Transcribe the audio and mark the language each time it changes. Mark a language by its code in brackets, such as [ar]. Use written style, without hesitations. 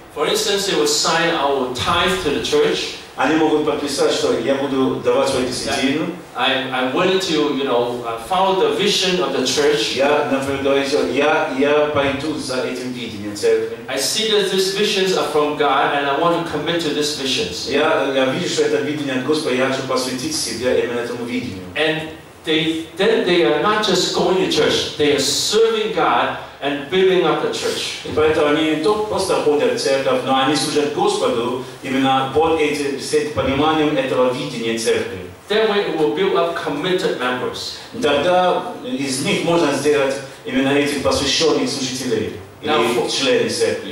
[en] For instance, they will sign our tithe to the church. [ru] Они могут подписать, что я буду давать свою десятину. [en] I want to, you know, follow the vision of the church. [ru] Я, например, говорю, что я пойду за этим видением церкви. [en] I see that these visions are from God, and I want to commit to these visions. [ru] Я вижу, что это видение от Господа, я хочу посвятить себя именно этому видению. [en] And they are not just going to church; they are serving God and building up the church. [ru] И поэтому они не просто ходят в церковь, но они служат Господу именно под этим пониманием этого видения церкви. [en] That way it will build up committed members. [ru] Тогда из них можно сделать именно этих посвященных служителей или членов церкви.